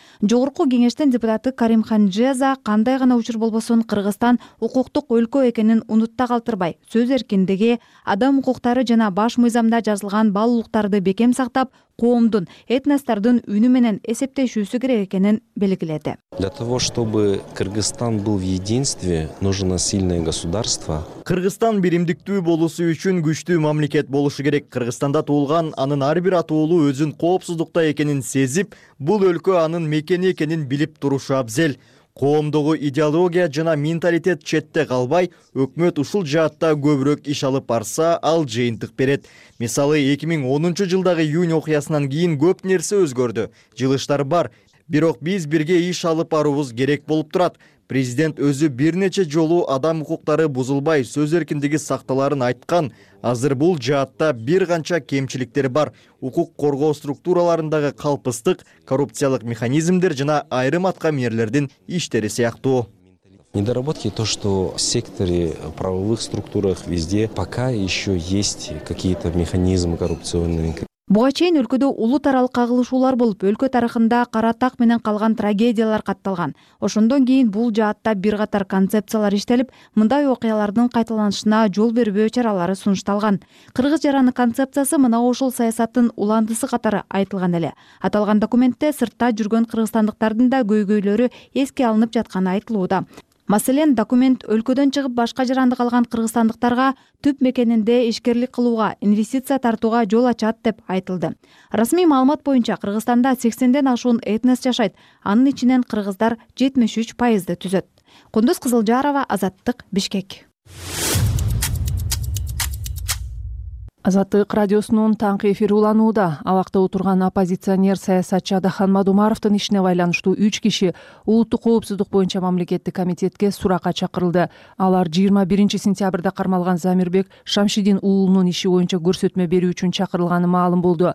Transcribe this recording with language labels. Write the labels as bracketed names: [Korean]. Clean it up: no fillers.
[Kyrgyz] Жогорку кеңештин депутаты Карим Ханжеза кандай гана учур болбосун Кыргызстан укуктук өлкө экенин унутта калтырбай, сөз эркиндиги, адам укуктары жана баш мыйзамда жазылган баалуулуктарды бекем сактап, коомдун, этностордун үнү менен эсептешүүсү керек экенин белгиледи. [Russian] Для того, чтобы Кыргызстан был в единстве, нужно сильное государство. [Kyrgyz] Кыргызстан биримдиктүү болуусу үчүн күчтүү мамлекет болушу керек. Кыргызстанда туулган анын ар бир атоолу өзүн коопсуздукта экенин сезип, бул өлкө анын мекени экенин билип турушу абзел. Коомдогу идеология жана менталитет четте калбай, өкмөт ушул жаатта көбүрөөк иш алып барса, ал жыйынтык берет. Мисалы, 2010 жылдагы июнь окуясынан кийин көп нерсе өзгөрдү. Жылыштар бар, бирок биз бирге иш алып баруубуз керек болуп турат. Президент өзү бир нече жолу адам укуктары бузулбай, сөз эркиндиги сакталарын айткан. Азыр бул жаатта бир канча кемчиликтер бар. Укук коргоо структураларындагы калпыстык, коррупциялык механизмдер жана айрым аткамерлердин иштери сыяктуу. [Russian] Недоработки то, что в секторе правовых структурах везде пока еще есть какие-то механизмы коррупционные. [Kyrgyz] Буга чейин өлкөдө улут аралык кагылышуулар болуп, өлкө тарыхында кара так менен калган трагедиялар катталган. Ошондон кийин бул жаатта бир катар концепциялар иштелип, мындай окуялардын кайталанышына жол бербөө чаралары сунушталган. Кыргыз жараны концепциясы мына ошол саясаттын уландысы катары айтылган эле. Аталган документте сыртта жүргөн кыргызстандыктардын да көйгөйлөрү эске алынып жатканы айтылууда. Маселен, документ өлкөдөн чыгып башка жаранды калган кыргызстандыктарга түп мекенинде ишкерлик кылууга, инвестиция тартууга жол ачат деп айтылды. Расмий маалымат боюнча Кыргызстанда 80 ашуун этнос жашайт, анын ичинен кыргыздар 73% түзөт. Кундуз Кызылжарова, Азаттык, Бишкек. Азаттык радиосунун таңкы эфири уланууда. Абакта отурган оппозиционер саясатчы Адахан Мадумаровдун ишине байланыштуу 3 киши улуттук коопсуздук боюнча мамлекеттик комитетке суракка чакырылды. Алар 21 сентябрда кармалган Замирбек Шамшидин уулунун иши боюнча көрсөтмө берүү үчүн чакырылганы маалым болду.